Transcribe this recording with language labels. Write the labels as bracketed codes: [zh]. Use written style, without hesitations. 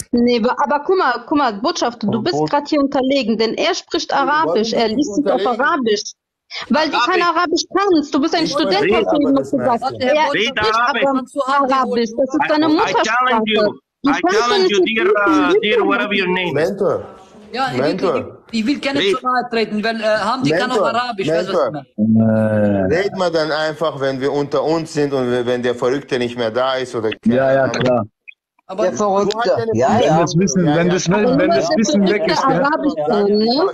[de] Nee, aber guck mal, Botschafter, du bist gerade hier unterlegen, denn er spricht Arabisch. Er liest es auf Arabisch. Weil du kein Arabisch kannst. Du bist ein Student, hast du eben noch gesagt. Ja, ich bin Arabisch. Das ist deine Muttersprache. [en] I challenge you, dear, whatever your name is. [de] Mentor. Ja, Mentor. Ich will gerne zu nahe treten, weil Hamdi kann auch Arabisch. Mentor. Red mal dann einfach, wenn wir unter uns sind und wenn der Verrückte nicht mehr da ist. Oder ja, ja, klar. Aber der Verrückte. Ja, ja. Wenn das Wissen, ja, ja. Wenn das Wissen weg ist. Arabisch sein, ne?